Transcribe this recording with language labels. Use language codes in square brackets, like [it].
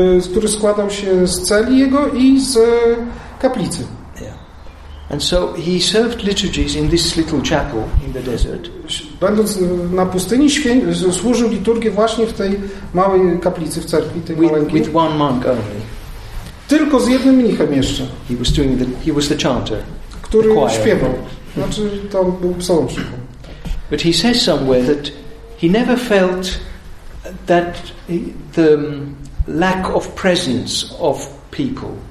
[pl] Który składał się z celi jego i z kaplicy. [en] And so he served liturgies in this little chapel in the desert. [pl] Będąc na pustyni, służył liturgię właśnie w tej małej kaplicy w cerkwi, tej maleńkiej. [en] With one monk only. [pl] Tylko z jednym mnichem jeszcze. [en] He was the chanter. [pl] Który [en] the choir. [pl] Śpiewał. Znaczy to był psalmistą. [en] But he says somewhere that he never felt that the lack of presence of people.